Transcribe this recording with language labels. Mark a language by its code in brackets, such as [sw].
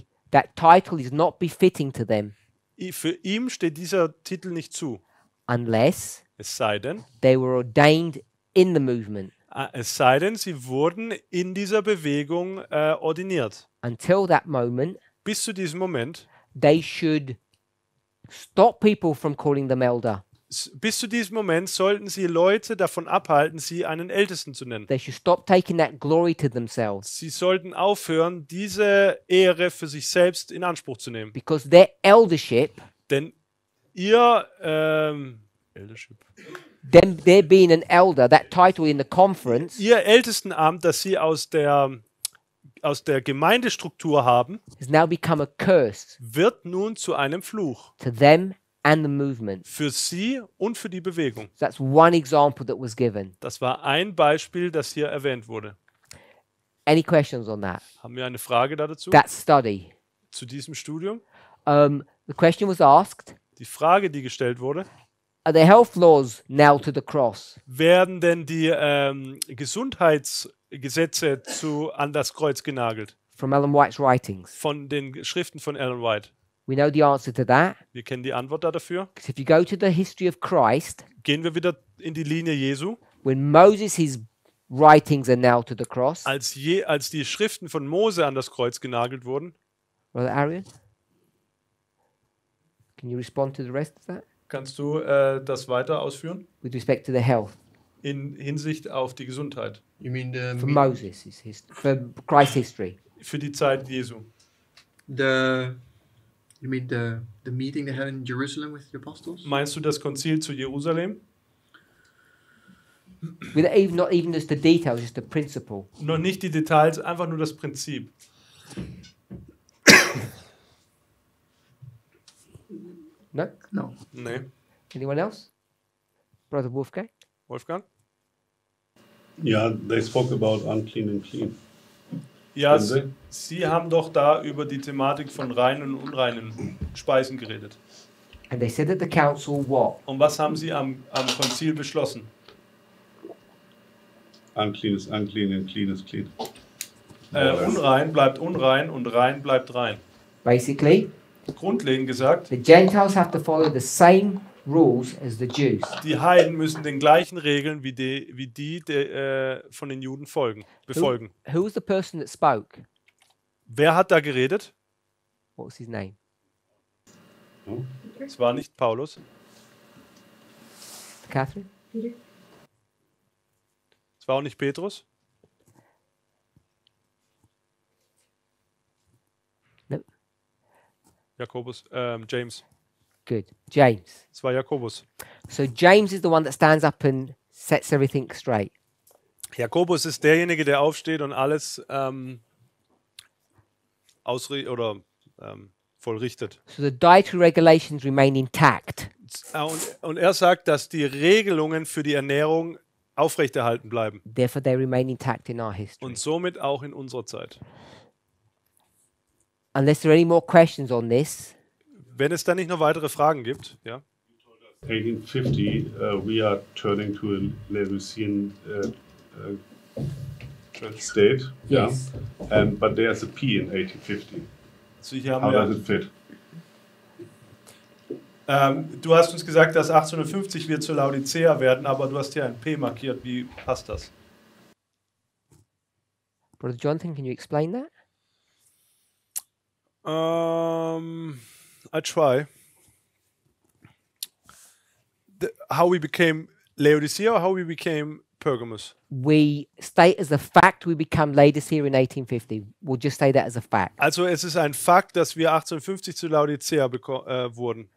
[en] That title is not befitting to them. [de] Für ihm steht dieser Titel nicht zu. [en] Unless, [de] es sei denn, [en] they were ordained in the movement. [de] Es sei denn, sie wurden in dieser Bewegung ordiniert. [en] Until that moment, [de] bis zu diesem Moment, [en] they should stop people from calling them elder. [de] Bis zu diesem Moment sollten sie Leute davon abhalten, sie einen Ältesten zu nennen. [en] They should stop taking that glory to themselves. [de] Sie sollten aufhören, diese Ehre für sich selbst in Anspruch zu nehmen. [en] Because their eldership, [de] denn ihr eldership, [en] them, they being an elder, that title in the conference, [de] ihr Ältestenamt, das sie aus der Gemeindestruktur haben, [en] has now become a curse, [de] wird nun zu einem Fluch. [en] To them and the movement. [de] Für sie und für die Bewegung. [en] So that's one example that was given. [de] Das war ein Beispiel, das hier erwähnt wurde. [en] Any questions on that? [de] Haben wir eine Frage dazu? [en] That study. [de] Zu diesem Studium? [en] The question was asked. [de] Die Frage, die gestellt wurde. [en] Are the health laws nailed to the cross? [de] Werden denn die Gesundheitsgesetze an das Kreuz genagelt? [en] From Ellen White's writings. [de] Von den Schriften von Ellen White. [en] We know the answer to that. [de] Wir kennen die Antwort dafür. [en] If you go to the history of Christ, [de] gehen wir wieder in die Linie Jesu. [en] When Moses his writings are nailed to the cross. [de] Als die Schriften von Mose an das Kreuz genagelt wurden. [en] Brother Arian, can you respond to the rest of that? [de] Kannst du das weiter ausführen? [en] With respect to the health. [de] In Hinsicht auf die Gesundheit. [en] You mean the for Moses his history, for Christ's history. [de] Für die Zeit Jesu. [en] You mean the meeting they had in Jerusalem with the apostles? [de] Meinst du das Konzil zu Jerusalem? [en] Not even just the details, just the principle. [de] Noch nicht die Details, einfach nur das Prinzip. [en] No? No. [de] Nee. [en] Anyone else? Brother Wolfgang? Wolfgang? Yeah, they spoke about unclean and clean. [de] Ja, Sie haben doch da über die Thematik von reinen und unreinen Speisen geredet. [en] And they said that the council what? [de] Und was haben Sie am Konzil beschlossen? [en] Unclean is unclean and clean is clean. [de] Unrein bleibt unrein und rein bleibt rein. [en] Basically, [de] grundlegend gesagt, [en] the Gentiles have to follow the same rules as the Jews. [de] Die Heiden müssen den gleichen Regeln wie die von den Juden befolgen. [en] Who was the person that spoke? [de] Wer hat da geredet? [en] What was his name? Hm? [de] Es war nicht Paulus. [en] Catherine? Peter? [de] Es war auch nicht Petrus. Jakobus, James. [en] Good. James. [de] Es war Jakobus. [en] So James is the one that stands up and sets everything straight. [de] Jakobus ist derjenige, der aufsteht und alles vollrichtet. [en] So the dietary regulations remain intact. [de] Und er sagt, dass die Regelungen für die Ernährung aufrechterhalten bleiben. [en] Therefore they remain intact in our history. [de] Und somit auch in unserer Zeit. [en] Unless there are any more questions on this. [de] Wenn es dann nicht noch weitere Fragen gibt, ja. [en] 1850, we are turning to a Levusian state. Yes. Yeah. And but there's a P in 1850. [de] So haben [en] how [de] wir, [en] does it fit? [de] Du hast uns gesagt, dass 1850 wir zu Laodicea werden, aber du hast hier ein P markiert. Wie passt das? [en] Brother Jonathan, can you explain that? I try. How we became Laodicea or how we became Pergamos? We state as a fact we become Laodicea in 1850. We'll just say that as a fact. [de] Also es ist ein Fakt, dass wir 1850 zu Laodicea wurden.